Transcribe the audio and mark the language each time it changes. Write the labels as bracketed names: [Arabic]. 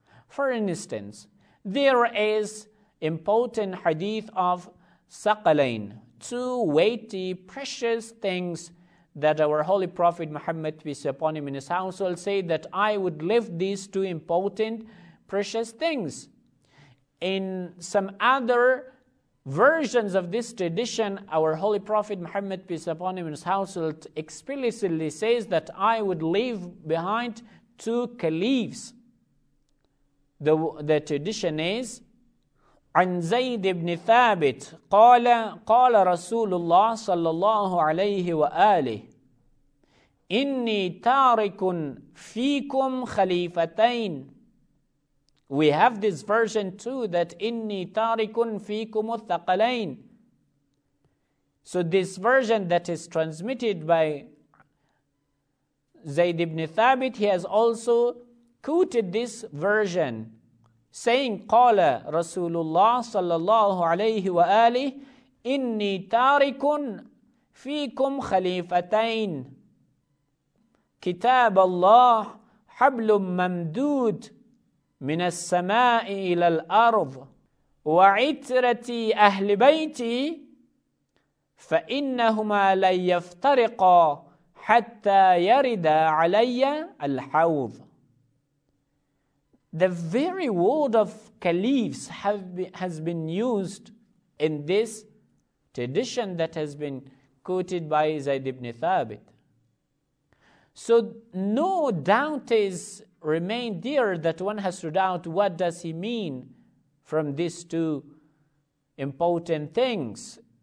[English] For instance, there is important hadith of Saqalain, two weighty, precious things that our Holy Prophet Muhammad, peace be upon him, in his household said that I would leave these two important, precious things. In some other versions of this tradition, our Holy Prophet Muhammad, peace be upon him, in his household explicitly says that I would leave behind two caliphs. The tradition is, [Arabic] عن زيد بن ثابت قال قال رسول الله صلى الله عليه وآله إني تارك فيكم خليفتين. [English] We have this version too, that [Arabic] إني تارك فيكم الثقلين. [English] So this version that is transmitted by زيد بن ثابت, he has also quoted this version, saying, [Arabic] قَالَ رَسُولُ اللَّهِ صَلَّى اللَّهُ عَلَيْهِ وَآلِهِ إِنِّي تَارِكٌ فِيكُمْ خَلِيفَتَيْنِ كِتَابَ اللَّهِ حَبْلٌ مَمْدُودٌ مِنَ السَّمَاءِ إِلَى الْأَرْضِ وَعِتْرَتِي أَهْلِ بَيْتِي فَإِنَّهُمَا لَنْ يَفْتَرِقَا حَتَّى يَرِدَ عَلَيَّ الْحَوْضِ. [English] The very word of caliphs has been used in this tradition that has been quoted by Zayd ibn Thabit. So no doubt is remained there that one has to doubt what does he mean from these two important things.